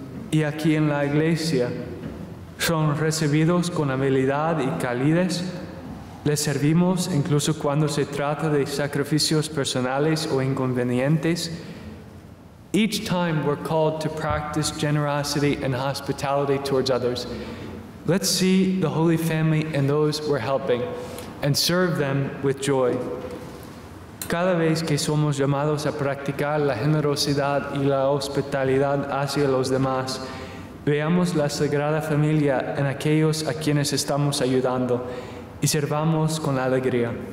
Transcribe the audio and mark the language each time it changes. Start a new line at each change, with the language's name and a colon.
Spanish: Y aquí en la iglesia, ¿son recibidos con amabilidad y calidez? ¿Les servimos incluso cuando se trata de sacrificios personales o inconvenientes?
English: Each time we're called to practice generosity and hospitality towards others, let's see the Holy Family and those we're helping and serve them with joy.
Spanish: Cada vez que somos llamados a practicar la generosidad y la hospitalidad hacia los demás, veamos la Sagrada Familia en aquellos a quienes estamos ayudando y servamos con la alegría.